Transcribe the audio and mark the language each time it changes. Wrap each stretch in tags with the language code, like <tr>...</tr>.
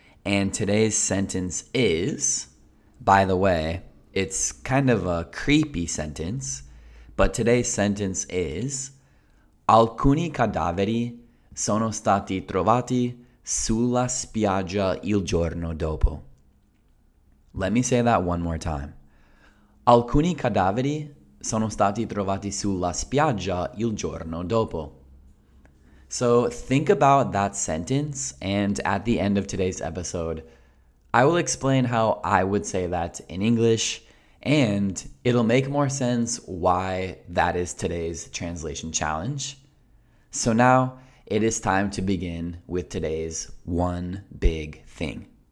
<en>And today's sentence is, by the way, it's kind of a creepy sentence, but today's sentence is,</en> <it>alcuni cadaveri sono stati trovati sulla spiaggia il giorno dopo.</it> <en>Let me say that one more time.</en> <it>Alcuni cadaveri sono stati trovati sulla spiaggia il giorno dopo.</it> <en>So think about that sentence, and at the end of today's episode, I will explain how I would say that in English, and it'll make more sense why that is today's translation challenge. So now it is time to begin with today's one big thing.</en>